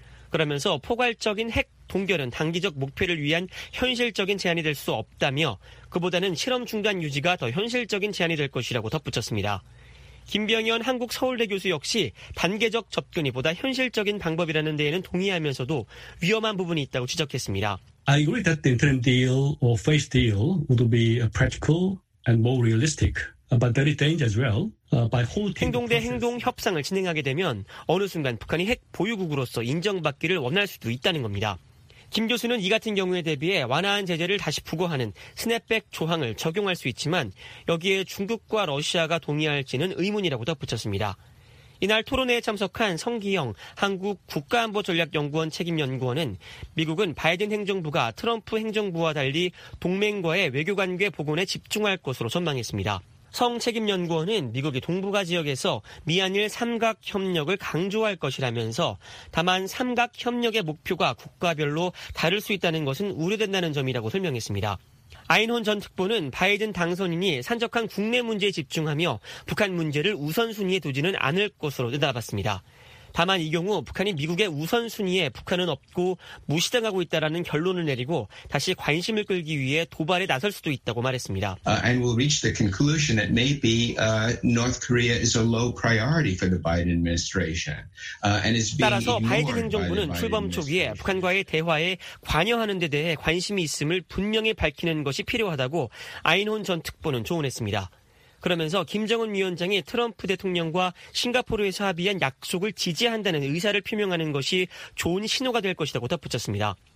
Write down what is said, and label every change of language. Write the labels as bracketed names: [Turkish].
[Korean] 그러면서 포괄적인 핵 동결은 단기적 목표를 위한 현실적인 제안이 될 수 없다며 그보다는 실험 중단 유지가 더 현실적인 제안이 될 것이라고 덧붙였습니다. 김병현 한국 서울대 교수 역시 단계적 접근이 보다 현실적인 방법이라는 데에는 동의하면서도 위험한 부분이 있다고 지적했습니다. [English] I agree that the interim deal or phase deal would be practical and more realistic. But there is danger as well. By holding [Korean] 행동 대 행동 협상을 진행하게 되면 어느 순간 북한이 핵 보유국으로서 인정받기를 원할 수도 있다는 겁니다. 김 교수는 이 같은 경우에 대비해 완화한 제재를 다시 부과하는 스냅백 조항을 적용할 수 있지만 여기에 중국과 러시아가 동의할지는 의문이라고 덧붙였습니다. 이날 토론회에 참석한 성기영 한국 국가안보전략연구원 책임연구원은 미국은 바이든 행정부가 트럼프 행정부와 달리 동맹과의 외교관계 복원에 집중할 것으로 전망했습니다. 성 책임연구원은 미국이 동북아 지역에서 미한일 삼각협력을 강조할 것이라면서 다만 삼각협력의 목표가 국가별로 다를 수 있다는 것은 우려된다는 점이라고 설명했습니다. 아인혼 전 특보는 바이든 당선인이 산적한 국내 문제에 집중하며 북한 문제를 우선순위에 두지는 않을 것으로 내다봤습니다. 다만 이 경우 북한이 미국의 우선순위에 북한은 없고 무시당하고 있다라는 결론을 내리고 다시 관심을 끌기 위해 도발에 나설 수도 있다고 말했습니다. [English] And we'll reach the conclusion that maybe North Korea is a low priority for the Biden administration. And it's being [Korean] 따라서 바이든 행정부는 출범 초기에 북한과의 대화에 관여하는 데 대해 관심이 있음을 분명히 밝히는 것이 필요하다고 아인혼 전 특보는 조언했습니다. 그러면서 김정은 위원장이 트럼프 대통령과 싱가포르에서 합의한 약속을 지지한다는 의사를 표명하는 것이 좋은 신호가 될 것이라고 덧붙였습니다.